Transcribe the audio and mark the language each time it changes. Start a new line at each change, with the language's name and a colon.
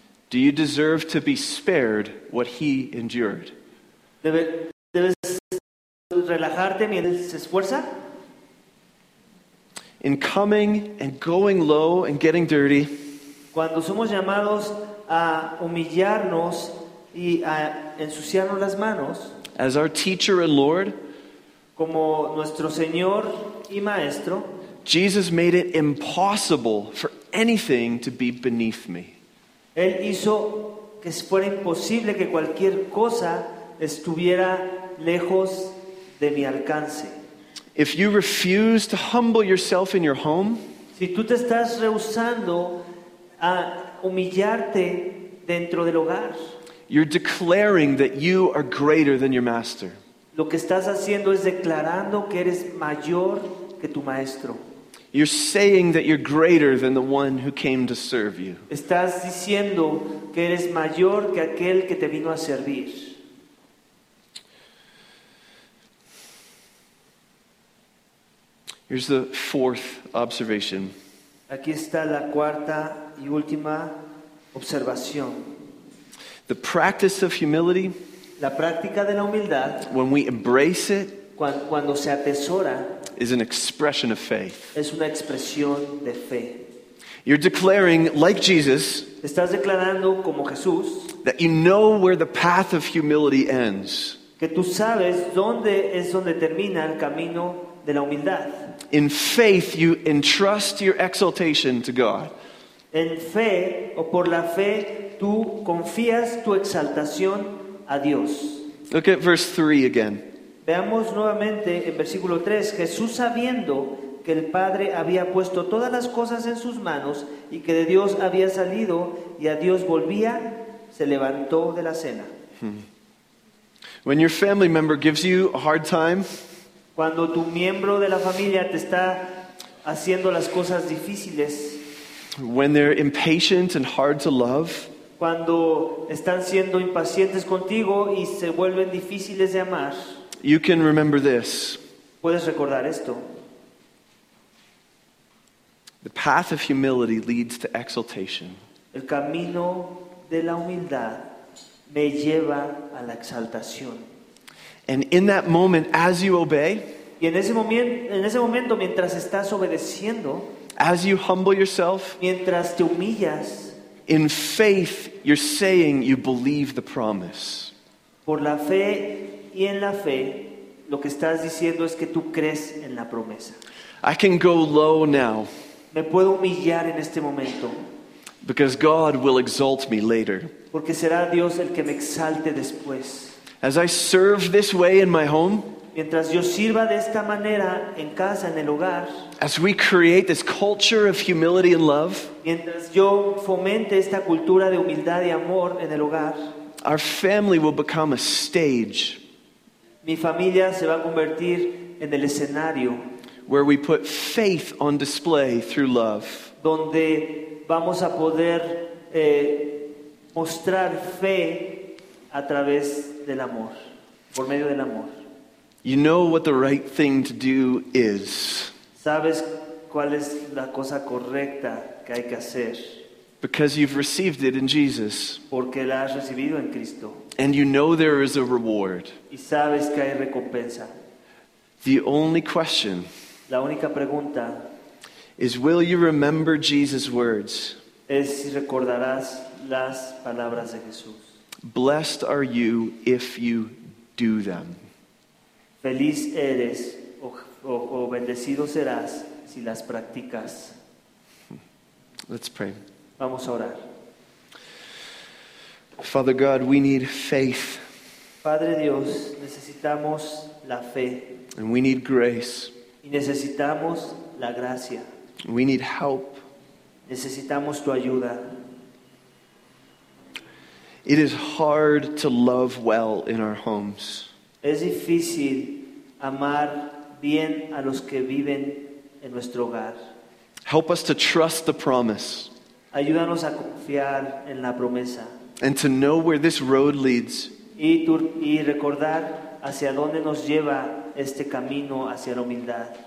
English: Do you deserve to be spared what he endured?
Spanish: ¿Debes relajarte mientras se esfuerza?
English: In coming and going low and getting dirty.
Spanish: Cuando somos llamados a humillarnos y a ensuciarnos las manos.
English: As our teacher and Lord,
Spanish: como nuestro Señor y Maestro,
English: Jesus made it impossible for anything to be beneath me.
Spanish: Él hizo que fuera imposible que cualquier cosa estuviera lejos de mi alcance.
English: If you refuse to humble yourself in your home,
Spanish: si tú te estás rehusando a humillarte dentro del hogar,
English: you're declaring that you are greater than your master.
Spanish: Lo que estás haciendo es declarando que eres mayor que tu maestro.
English: You're saying that you're greater than the one who came to serve you.
Spanish: Estás diciendo que eres mayor que aquel que te vino a servir.
English: Here's the fourth observation.
Spanish: Aquí está la cuarta y última observación.
English: The practice of humility,
Spanish: la práctica de la humildad,
English: when we embrace it,
Spanish: cuando se atesora,
English: is an expression of faith.
Spanish: Es una expresión de fe.
English: You're declaring, like Jesus,
Spanish: estás declarando como Jesús,
English: that you know where the path of humility ends.
Spanish: Que tú sabes dónde es donde termina el camino de la humildad.
English: In faith, you entrust your exaltation to God.
Spanish: En fe, o por la fe, tú confías tu exaltación a Dios.
English: Look at verse 3 again.
Spanish: Veamos nuevamente en versículo 3. Jesús, sabiendo que el Padre había puesto todas las cosas en sus manos y que de Dios había salido y a Dios volvía, se levantó de la cena.
English: When your family member gives you a hard time,
Spanish: cuando tu miembro de la familia te está haciendo las cosas difíciles,
English: when they're impatient and hard to love,
Spanish: cuando están siendo impacientes contigo y se vuelven difíciles de amar,
English: you can remember this.
Spanish: Puedes recordar esto.
English: The path of humility leads to exaltation.
Spanish: El camino de la humildad me lleva a la exaltación.
English: And in that moment, as you obey,
Spanish: y en ese momento, mientras estás obedeciendo,
English: as you humble yourself,
Spanish: mientras te humillas,
English: in faith you're saying you believe the promise.
Spanish: Por la fe y en la fe, lo que estás diciendo es que tú crees en la promesa.
English: I can go low now.
Spanish: Me puedo humillar en este momento.
English: Because God will exalt me later.
Spanish: Porque será Dios el que me exalte después.
English: As I serve this way in my home,
Spanish: mientras yo sirva de esta manera en casa, en el hogar,
English: as we create this culture of humility and love,
Spanish: mientras yo fomente esta cultura de humildad y amor en el hogar,
English: our family will become a stage.
Spanish: Mi familia se va a convertir en el escenario
English: where we put faith on display through love.
Spanish: Donde vamos a poder mostrar fe a través del amor, por medio del amor.
English: You know what the right thing to do is.
Spanish: Sabes cuál es la cosa correcta que hay que hacer.
English: Because you've received it in Jesus.
Spanish: Porque la has recibido en Cristo.
English: And you know there is a reward.
Spanish: Y sabes que hay recompensa.
English: The only question,
Spanish: la única pregunta,
English: is will you remember Jesus' words?
Spanish: Es si recordarás las palabras de Jesús.
English: Blessed are you if you do them.
Spanish: Feliz eres o bendecido serás si las practicas.
English: Let's pray.
Spanish: Vamos a orar.
English: Father God, we need faith.
Spanish: Padre Dios, necesitamos la fe.
English: And we need grace.
Spanish: Y necesitamos la gracia.
English: We need help.
Spanish: Necesitamos tu ayuda.
English: It is hard to love well in our homes.
Spanish: Es difícil amar bien a los que viven en nuestro hogar.
English: Help us to trust the promise.
Spanish: Ayúdanos a confiar en la promesa.
English: And to know where this road leads.
Spanish: Y recordar hacia dónde nos lleva este camino hacia la humildad.